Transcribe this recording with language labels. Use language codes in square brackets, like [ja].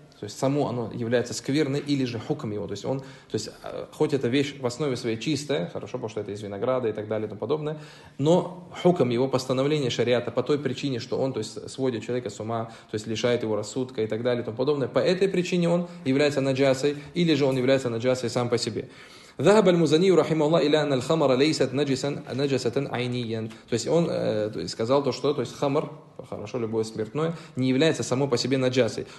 [ru] То есть само оно является скверной или же хукм его. То есть он, то есть хоть эта вещь в основе своей чистая, хорошо, потому что это из винограда и так далее и тому подобное, но хукм его, постановление шариата по той причине, что он, то есть, сводит человека с ума, то есть лишает его рассудка и так далее и тому подобное, по этой причине он является наджасой или же он является наджасой сам по себе. [ar] ذهب المزني رحمه الله إلى أن الخمر ليست نجسا نجسة عينيا. [ru] То есть он сказал то, что, то есть хамр, хорошо, любое спиртное, не является само по себе наджасой.